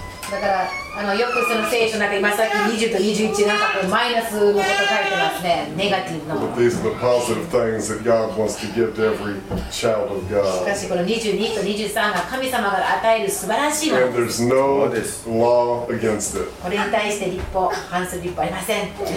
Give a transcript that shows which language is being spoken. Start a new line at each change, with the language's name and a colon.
Japanese: だからあのよくその聖書の中に今さっき20と21なんかこうマイナスのこと書いてますね、ネガティブの。
English: But these are the positive things that God wants to give to every child of God.
Japanese: しかしこの22と23が神様が与える素晴らしいもの。
English: And there's no law against it.
Japanese: これに対して立法、反する立法ありません。